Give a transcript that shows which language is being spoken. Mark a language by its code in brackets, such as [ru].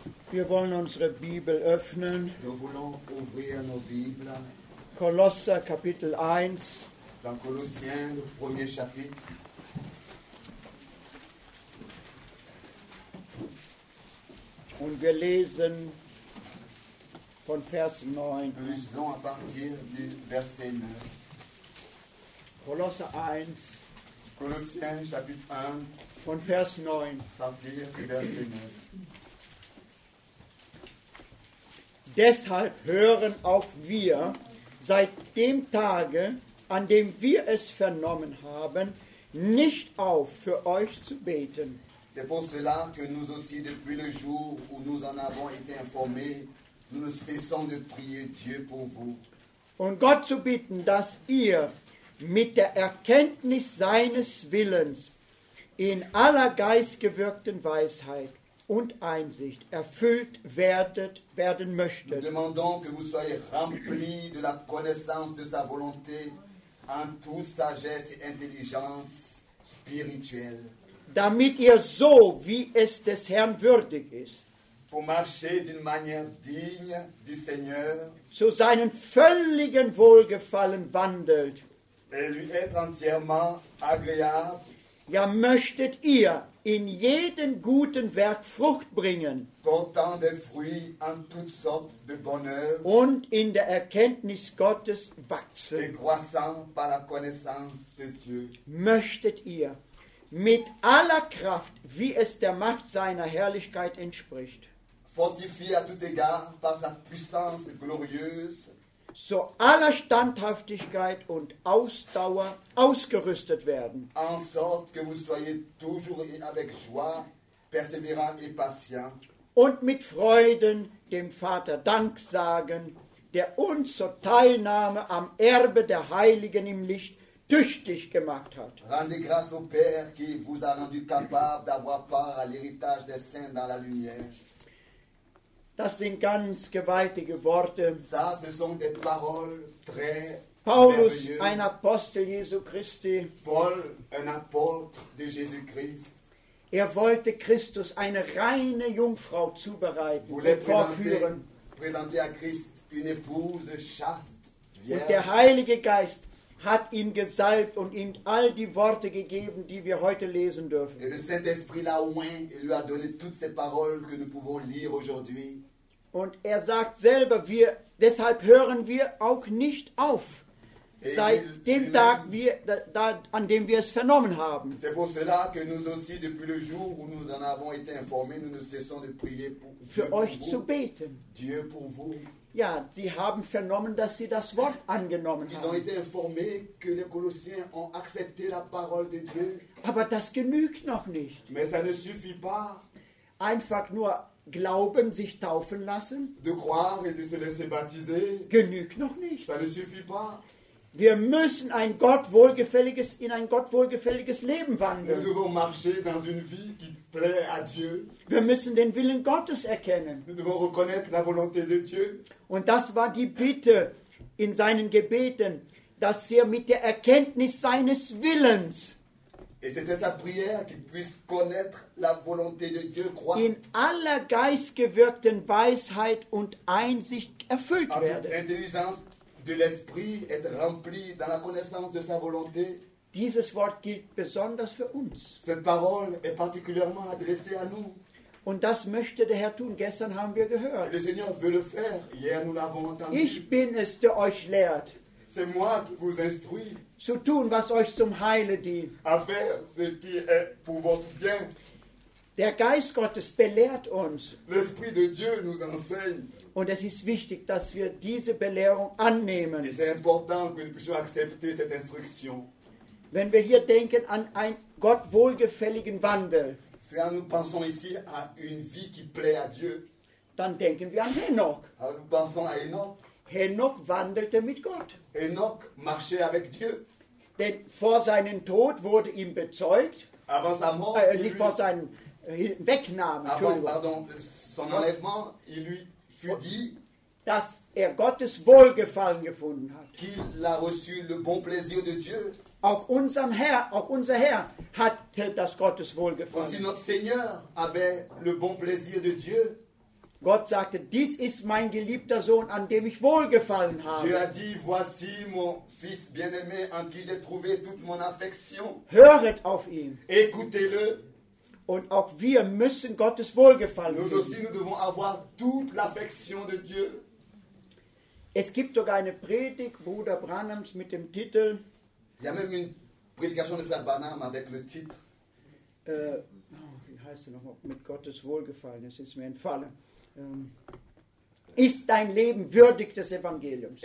[de] Wir wollen unsere Bibel öffnen. [fr] Nous voulons ouvrir nos Bibles. [de] Colosser Kapitel 1. [fr] Dans Colossiens, le premier chapitre. [de] Und wir lesen von Vers 9. [fr] Nous lisons à partir du verset 9. [de] Colosser 1. [fr] Colossiens, chapitre 1. [de] Von Vers 9. [fr] À partir du verset 9. [de] Deshalb hören auch wir, seit dem Tage, an dem wir es vernommen haben, nicht auf, für euch zu beten. [fr] C'est pour cela que nous aussi, depuis le jour où nous en avons été informés, nous ne cessons de prier Dieu pour vous. [de] Und Gott zu bitten, dass ihr mit der Erkenntnis seines Willens in aller geistgewirkten Weisheit und Einsicht erfüllt werden möchtet. [fr] Nous demandons que vous soyez remplis de la connaissance de sa volonté en toute sagesse et intelligence spirituelle. [de] Damit ihr so, wie es des Herrn würdig ist, [fr] pour marcher d'une manière digne du Seigneur, [de] zu seinen völligen Wohlgefallen wandelt. [fr] Et lui être entièrement agréable. [de] Ja, möchtet ihr in jedem guten Werk Frucht bringen. [fr] Portant des fruits en toutes sortes de bonheur. [de] Und in der Erkenntnis Gottes wachsen. [fr] Et croissant par la connaissance de Dieu. [de] Möchtet ihr mit aller Kraft, wie es der Macht seiner Herrlichkeit entspricht. [fr] Fortifié à tout égard par sa puissance glorieuse. [de] So aller Standhaftigkeit und Ausdauer ausgerüstet werden. [fr] En sorte que vous soyez toujours avec joie, persévérant et patient. [de] Und mit Freuden dem Vater Dank sagen, der uns zur Teilnahme am Erbe der Heiligen im Licht tüchtig gemacht hat. [fr] Rendez grâce au Père qui vous a rendu capable d'avoir part à l'héritage des saints dans la lumière. [de] Das sind ganz gewaltige Worte. [fr] Ça, ce sont des paroles très [de] Paulus, ein Apostel Jesu Christi. [fr] Paul, un apôtre de Jésus-Christ. [de] Er wollte Christus eine reine Jungfrau zubereiten, [fr] voulait [de] vorführen. [fr] Présenter à Christ une épouse chaste, vierge. [de] Und der Heilige Geist hat ihm gesalbt und ihm all die Worte gegeben, die wir heute lesen dürfen. [fr] Et le Saint-Esprit l'a oint et lui a donné toutes ces paroles que nous pouvons lire aujourd'hui. [de] Und er sagt selber, wir, deshalb hören wir auch nicht auf, et seit dem Tag, wir, da, an dem wir es vernommen haben. [fr] C'est pour cela que nous aussi, depuis le jour où nous en avons été informés, nous ne cessons de prier pour [de] für euch zu beten. [fr] Dieu pour vous. [de] Ja, sie haben vernommen, dass sie das Wort angenommen haben. [fr] Ils ont été informés que les Colossiens ont accepté la parole de Dieu. [de] Aber das genügt noch nicht. [fr] Mais ça ne suffit pas. [de] Einfach nur glauben, sich taufen lassen. [fr] De croire et de se laisser baptiser. [de] Genügt noch nicht. [fr] Ça ne suffit pas. [de] Wir müssen ein Gott wohlgefälliges in ein Gott wohlgefälliges Leben wandeln. [fr] Nous devons marcher dans une vie qui plaît à Dieu. [de] Wir müssen den Willen Gottes erkennen. [fr] Nous devons reconnaître la volonté de Dieu. [de] Und das war die Bitte in seinen Gebeten, dass wir mit der Erkenntnis seines Willens [fr] et c'était sa prière qu'il puisse connaître la volonté de Dieu, croire. [de] In aller geistgewirkten Weisheit und Einsicht erfüllt werden. [fr] Intelligence de l'esprit être rempli dans la connaissance de sa volonté. [de] Dieses Wort gilt besonders für uns. [fr] Cette parole est particulièrement adressée à nous. [de] Und das möchte der Herr tun. Gestern haben wir gehört. [fr] Le Seigneur veut le faire. Hier, nous l'avons entendu. [de] Ich bin es, der euch lehrt. [fr] C'est moi qui vous instruis. [de] Zu tun, was euch zum Heile dient. [fr] À faire ce qui est pour votre bien. [de] Der Geist Gottes belehrt uns. [fr] L'Esprit de Dieu nous enseigne. [de] Und es ist wichtig, dass wir diese Belehrung annehmen. [fr] Et c'est important que nous puissions accepter cette instruction. [de] Wenn wir hier denken an einen Gott wohlgefälligen Wandel, [fr] quand nous pensons ici à une vie qui plaît à Dieu, [de] dann denken wir an Henoch. [fr] Alors nous pensons à Henoch. [de] Henoch wandelte mit Gott. [fr] Henoch marchait avec Dieu. [de] Denn vor seinem Tod wurde ihm bezeugt, [fr] son enlèvement, il lui fut dit, [de] dass er Gottes Wohlgefallen gefunden hat. [fr] Qu'il a reçu le bon plaisir de Dieu. [de] Auch unser Herr hatte das Gottes Wohlgefallen. [fr] Aussi notre Seigneur avait le bon plaisir de Dieu. [de] Gott sagte, dies ist mein geliebter Sohn, an dem ich wohlgefallen habe. [fr] Dieu a dit, voici mon fils bien-aimé, en qui j'ai trouvé toute mon affection. [de] Höret auf ihn. [fr] Écoutez-le. [de] Und auch wir müssen Gottes Wohlgefallen finden. [fr] Nous aussi, nous devons avoir toute l'affection de Dieu. [de] Es gibt sogar eine Predigt Bruder Branhams mit dem Titel. [fr] Il y a même une prédication de Frère Branham avec le titre. [de] Wie heißt er nochmal? Mit Gottes Wohlgefallen. Es ist mir entfallen. Ist dein Leben würdig des Evangeliums?